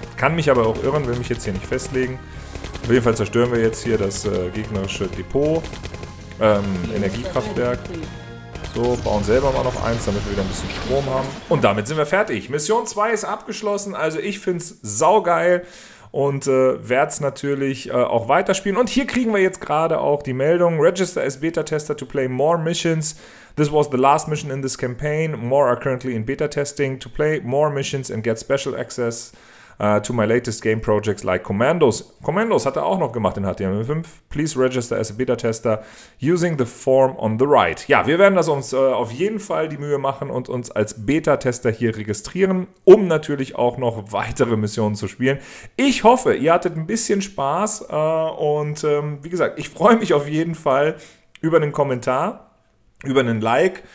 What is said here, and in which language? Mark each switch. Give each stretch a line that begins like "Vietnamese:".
German: Kann mich aber auch irren, will mich jetzt hier nicht festlegen. Auf jeden Fall zerstören wir jetzt hier das gegnerische Depot. Energiekraftwerk. So, bauen selber mal noch eins, damit wir wieder ein bisschen Strom haben. Und damit sind wir fertig. Mission 2 ist abgeschlossen. Also ich finde es saugeil und werde es natürlich auch weiterspielen. Und hier kriegen wir jetzt gerade auch die Meldung.
English: Register as Beta Tester to play more missions. This was the last mission in this campaign. More are currently in Beta Testing. To play more missions and get special access to my latest game projects like Commandos.
German: Commandos hat er auch noch gemacht in HTML5.
English: Please register as a Beta Tester using the form on the right.
German: Ja, wir werden das uns auf jeden Fall die Mühe machen und uns als Beta Tester hier registrieren, um natürlich auch noch weitere Missionen zu spielen. Ich hoffe, ihr hattet ein bisschen Spaß und wie gesagt, ich freue mich auf jeden Fall über einen Kommentar, über einen Like.